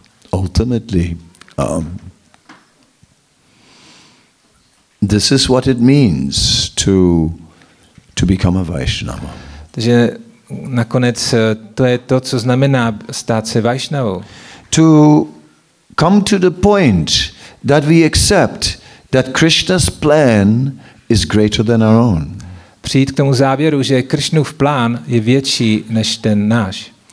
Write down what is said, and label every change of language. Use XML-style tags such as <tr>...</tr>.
<en>Ultimately this is what it means to become a Vaishnava.</en> <cs>Takže nakonec to je to, co znamená stát se Vaishnavou.</cs> <en>To come to the point that we accept that Krishna's plan is greater than our own.</en> <cs>Přijít k tomu závěru, že Krishnův plán je větší než ten náš.</cs>